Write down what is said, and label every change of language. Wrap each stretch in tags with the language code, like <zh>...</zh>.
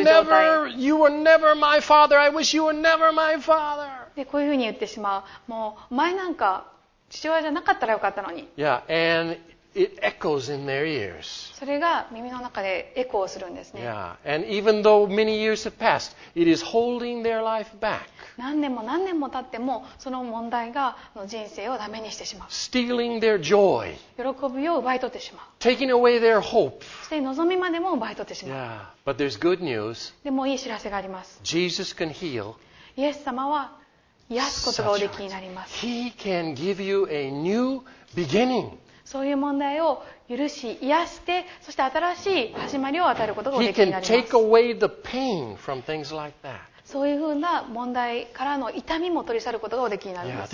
<en>I wish you were never my father. I wish you were never my father.</en> <ja>でこういうふうに言ってしまう。もうお前なんか父親じゃなかったらよかったのに。</ja> <en>Yeah, and it echoes in their ears.</en> <ja>それが耳の中でエコーするんですね。</ja> <en>Yeah, and even though many years have passed, it is holding their life back.</en> <ja>何年も何年も経ってもその問題が人生をダメにしてしまう。</ja> <en>Stealing their joy.</en> <ja>喜びを奪い取ってしまう。</ja> <en>Taking away their hope.</en> <ja>そして望みまでも奪い取ってしまう。</ja> <en>Yeah, but there's good news.</en> <ja>でもいい知らせがあります。</ja> <en>Jesus can heal.</en> <ja>イエス様は癒すことがおできになります。</ja> <en>He can give you a new beginning.</en> <ja>そういう問題を許し癒して、そして新しい始まりを与えることがおできになります。</ja> <en>He can take away the pain from things like that.</en> <ja>そういうふうな問題からの痛みも取り去ることがおできになるんです。</ja>